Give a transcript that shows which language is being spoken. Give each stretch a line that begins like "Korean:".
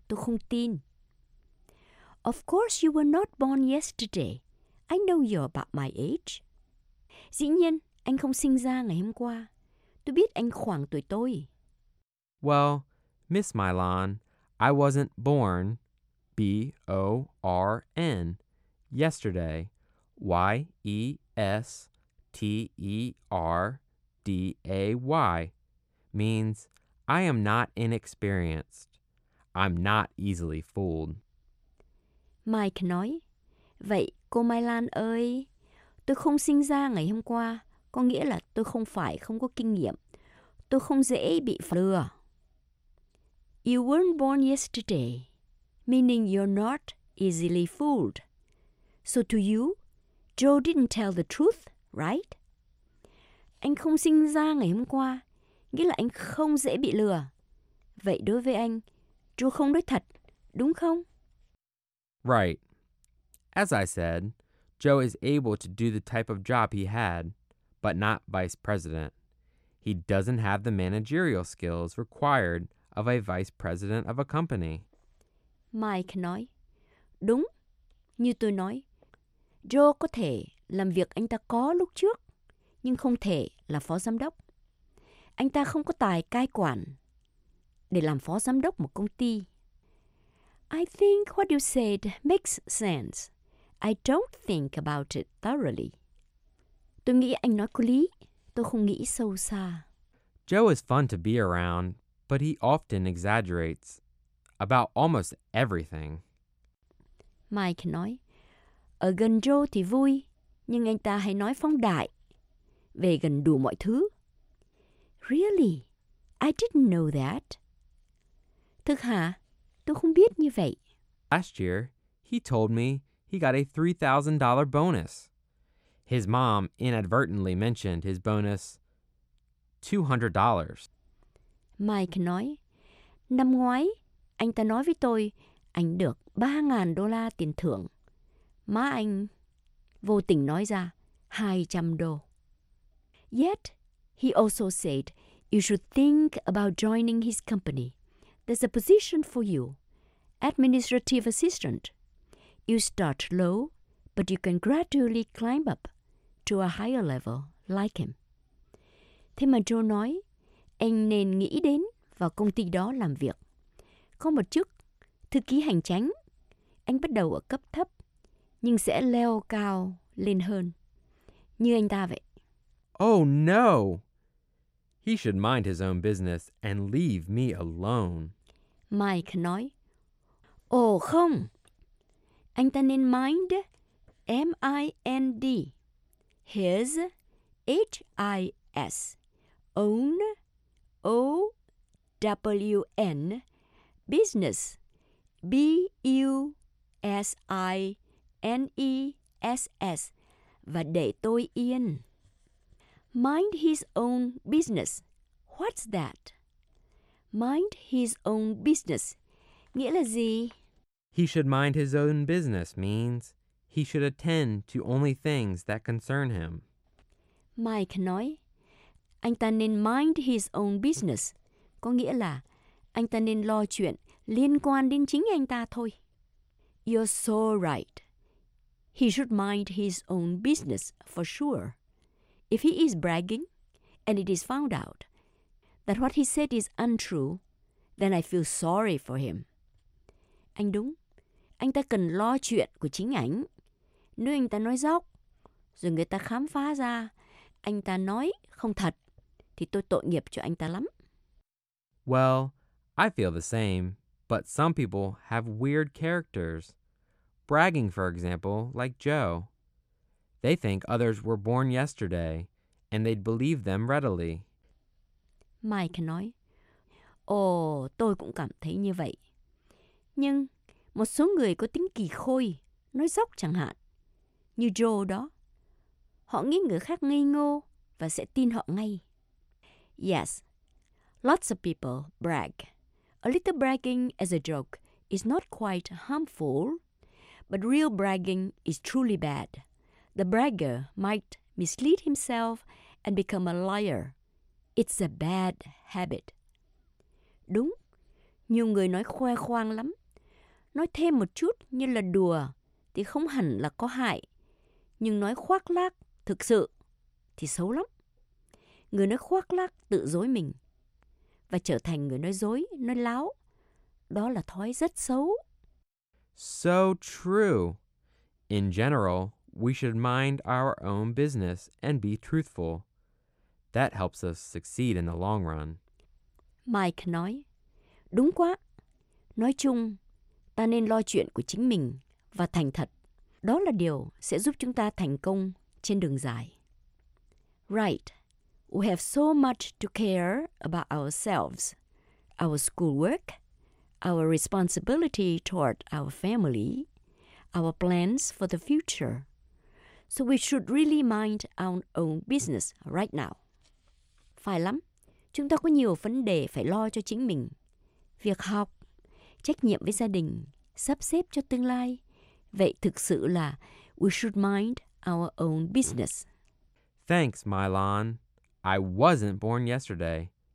Vietnamese: Tôi không tin.
English: Of course you were not born yesterday. I know you're about my age.
Vietnamese: Dĩ nhiên, anh không sinh ra ngày hôm qua. Tôi biết anh khoảng tuổi tôi.
English: Well, Miss Milan, I wasn't born, B-O-R-N, yesterday, Y-E-S-T-E-R-D-A-Y, means I am not inexperienced. I'm not easily fooled.
Vietnamese: Mike nói, vậy cô Mai Lan ơi, tôi không sinh ra ngày hôm qua, có nghĩa là tôi không phải không có kinh nghiệm. Tôi không dễ bị lừa.
English: You weren't born yesterday, meaning you're not easily fooled. So to you, Joe didn't tell the truth, right?
Vietnamese: Anh không sinh ra ngày hôm qua, nghĩa là anh không dễ bị lừa. Vậy đối với anh, Joe không nói thật, đúng không?
English: Right. As I said, Joe is able to do the type of job he had, but not vice president. He doesn't have the managerial skills required of a vice president of a company.
Vietnamese: Mike nói, đúng, như tôi nói, Joe có thể làm việc anh ta có lúc trước, nhưng không thể là phó giám đốc. Anh ta không có tài cai quản để làm phó giám đốc một công ty.
English: I think what you said makes sense. I don't think about it thoroughly.
Vietnamese: Tôi nghĩ anh nói có lý. Tôi không nghĩ sâu xa.
English: Joe is fun to be around, but he often exaggerates about almost everything.
Vietnamese: Mike nói, ở gần Joe thì vui, nhưng anh ta hay nói phóng đại về gần đủ mọi thứ.
English: Really? I didn't know that.
Vietnamese: Thực hả? Tôi không biết như vậy.
English: Last year, he told me he got a $3,000 bonus. His mom inadvertently mentioned his bonus $200.
Vietnamese: Mike nói, năm ngoái, anh ta nói với tôi, anh được $3,000 tiền thưởng. Má anh vô tình nói ra, $200.
English: Yet, he also said, you should think about joining his company. There's a position for you, administrative assistant. You start low, but you can gradually climb up to a higher level like him.
Vietnamese: Thế mà Joe nói, anh nên nghĩ đến vào công ty đó làm việc. Có một chức thư ký hành chính, anh bắt đầu ở cấp thấp, nhưng sẽ leo cao lên hơn, như anh ta vậy.
English: Oh no! He should mind his own business and leave me alone.
Vietnamese: Mike nói, ồ không, anh ta nên
English: mind, M-I-N-D, his, H-I-S, own, O-W-N, business, B-U-S-I-N-E-S-S,
Vietnamese: và để tôi yên.
English: Mind his own business. What's that? Mind his own business.
Vietnamese: Nghĩa là gì?
English: He should mind his own business means he should attend to only things that concern him.
Vietnamese: Mike nói, anh ta nên
English: mind his own business.
Vietnamese: Có nghĩa là anh ta nên lo chuyện liên quan đến chính anh ta thôi.
English: You're so right. He should mind his own business for sure. If he is bragging and it is found out that what he said is untrue, then I feel sorry for him.
Vietnamese: Anh đúng. Anh ta cần lo chuyện của chính ảnh. Nếu anh ta nói dốc, rồi người ta khám phá ra anh ta nói không thật, thì tôi tội nghiệp cho anh ta lắm.
English: Well, I feel the same, but some people have weird characters. Bragging, for example, like Joe. They think others were born yesterday, and they'd believe them readily.
Vietnamese: Mike nói, ồ, tôi cũng cảm thấy như vậy. Nhưng một số người có tính kỳ khôi, nói dốc chẳng hạn, như Joe đó. Họ nghĩ người khác ngây ngô và sẽ tin họ ngay.
English: Yes, lots of people brag. A little bragging as a joke is not quite harmful, but real bragging is truly bad. The bragger might mislead himself and become a liar. It's a bad habit.
Vietnamese: Đúng, nhiều người nói khoe khoang lắm. Nói thêm một chút như là đùa thì không hẳn là có hại. Nhưng nói khoác lác thực sự thì xấu lắm. Người nói khoác lác tự dối mình và trở thành người nói dối, nói láo. đó là thói rất xấu.
English: So true. In general, we should mind our own business and be truthful. That helps us succeed in the long run.
Vietnamese: Mike nói, đúng quá. Nói chung, ta nên lo chuyện của chính mình và thành thật. Đó là điều sẽ giúp chúng ta thành công trên đường dài.
English: Right. We have so much to care about ourselves, our schoolwork, our responsibility toward our family, our plans for the future. So we should really mind our own business right now.
Vietnamese: Phải lắm. Chúng ta có nhiều vấn đề phải lo cho chính mình. Việc học, trách nhiệm với gia đình, sắp xếp cho tương lai. Vậy thực sự là
English: we should mind our own business. Thanks, Mylon. I wasn't born yesterday.